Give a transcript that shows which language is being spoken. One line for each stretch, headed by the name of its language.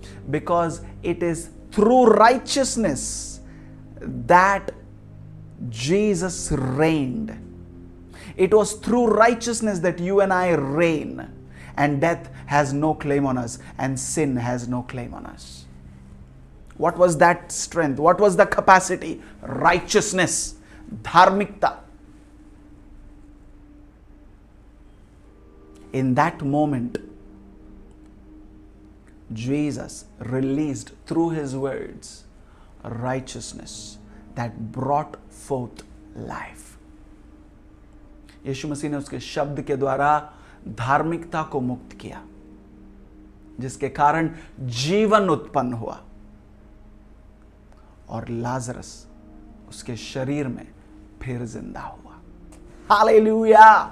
English: Because it is through righteousness that Jesus reigned. It was through righteousness that you and I reign. And death has no claim on us, and sin has no claim on us. What was that strength? What was the capacity? Righteousness, dharmikta. In that moment, Jesus released through his words righteousness that brought forth life.
Hindi: Yeshu Masih ne uske shabd ke dwara धार्मिकता को मुक्त किया, जिसके कारण जीवन उत्पन्न हुआ और लाजरस उसके शरीर में फिर जिंदा हुआ. हालेलुया.